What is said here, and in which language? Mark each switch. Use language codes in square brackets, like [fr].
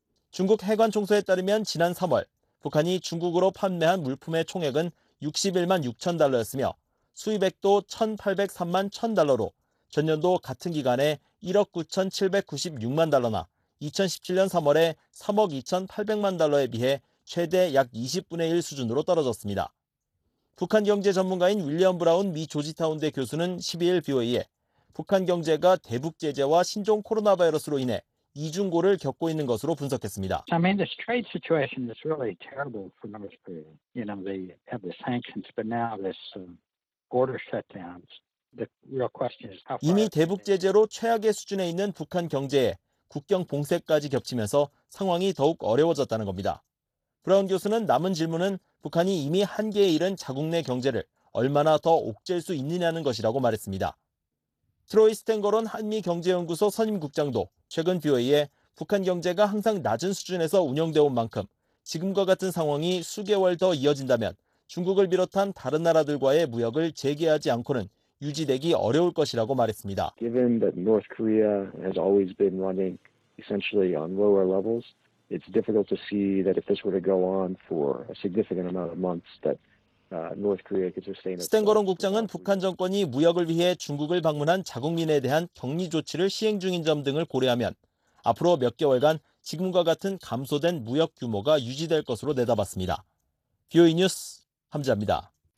[ko] 중국 해관 총서에 따르면 지난 3월 북한이 중국으로 판매한 물품의 총액은 61만 6천 달러였으며 수입액도 1,803만 1천 달러로 전년도 같은 기간에 1억 9,796만 달러나 2017년 3월에 3억 2,800만 달러에 비해 최대 약 20분의 1 수준으로 떨어졌습니다. 북한 경제 전문가인 윌리엄 브라운 미 조지타운대 교수는 12일 BOA에 북한 경제가 대북 제재와 신종 코로나 바이러스로 인해 이중고를 겪고 있는 것으로 분석했습니다. [en] I mean, this trade situation is really terrible for North Korea. You know, they have the sanctions, but now this border shutdowns. The real question is how. [ko] 이미 대북 제재로 최악의 수준에 있는 북한 경제에 국경 봉쇄까지 겹치면서 상황이 더욱 어려워졌다는 겁니다. 브라운 교수는 남은 질문은 북한이 이미 한계에 이른 자국 내 경제를 얼마나 더 옥죄일 수 있느냐는 것이라고 말했습니다. 트로이 스탱거론 한미경제연구소 선임국장도 최근 BOA에 북한 경제가 항상 낮은 수준에서 운영되어 온 만큼 지금과 같은 상황이 수개월 더 이어진다면 중국을 비롯한 다른 나라들과의 무역을 재개하지 않고는 유지되기 어려울 것이라고 말했습니다. [en] Given that North Korea has always been running essentially on lower levels, it's difficult to see that if this were to go on for a significant amount of months that North Korea could sustain it. [ko] 스탱거론 국장은 북한 정권이 무역을 위해 중국을 방문한 자국민에 대한 격리 조치를 시행 중인 점 등을 고려하면 앞으로 몇 개월간 지금과 같은 감소된 무역 규모가 유지될 것으로 내다봤습니다. BOA 뉴스 함지아입니다.